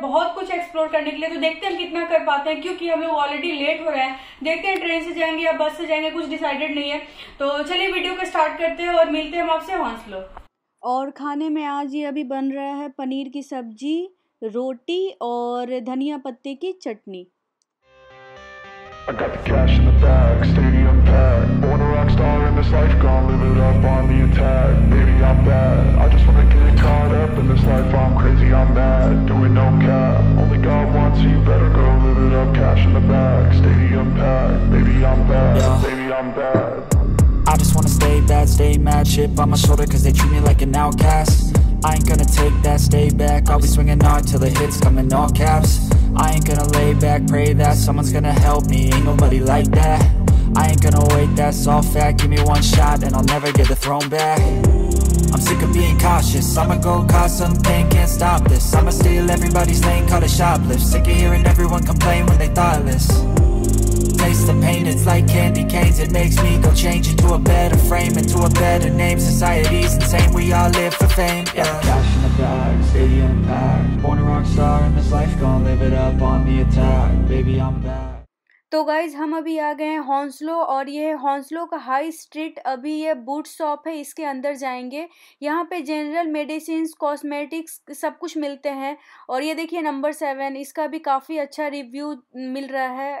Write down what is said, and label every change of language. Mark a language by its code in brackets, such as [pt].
[hi] बहुत कुछ एक्सप्लोर करने के लिए, तो देखते हैं कितना कर पाते हैं क्योंकि हम लोग ऑलरेडी लेट हो रहे हैं. देखते हैं ट्रेन से जाएंगे या बस से जाएंगे, कुछ डिसाइडेड नहीं है. तो चलिए वीडियो को स्टार्ट करते हैं और मिलते हैं हम आपसे हॉस्टल. और खाने में आज ये अभी बन रहा है पनीर की सब्जी, रोटी और धनिया पत्ते की चटनी. [en] I got the cash in the bag, stadium packed. Born a rock star in this life, gone live it up on the attack. Baby, I'm bad, I just wanna get caught up in this life. I'm crazy, I'm mad, doing no cap. Only God wants you, better go live it up. Cash in the bag, stadium packed. Baby, I'm bad, baby, I'm bad. I just wanna stay bad, stay mad. Chip on my shoulder cause they treat me like an outcast. I ain't gonna take that, stay back. I'll be swinging hard till the hits come in all caps. I ain't gonna lay back, pray that someone's gonna help me. Ain't nobody like that. I ain't gonna wait, that's all fact. Give me one shot and I'll never get the throne back. I'm sick of being cautious. I'ma go cause some pain, can't stop this. I'ma steal everybody's lane, call it shoplift. Sick of hearing everyone complain when they thoughtless. Taste the pain, it's like candy canes. It makes me go change into a better frame, into a better name. Society's insane, we all live for fame, yeah. Cash in the bag, stadium packed. Born a rock star in this life, gonna live it up on the attack. Baby, I'm back. [hi] तो guys हम अभी आ गए हैं हॉन्सलो और ये हॉन्सलो का high street. अभी ये बूट शॉप है, इसके अंदर जाएंगे. यहाँ पे जनरल मेडिसिन, कॉस्मेटिक्स सब कुछ मिलते हैं. और ये देखिए नंबर 7, इसका भी काफ़ी अच्छा रिव्यू मिल रहा है.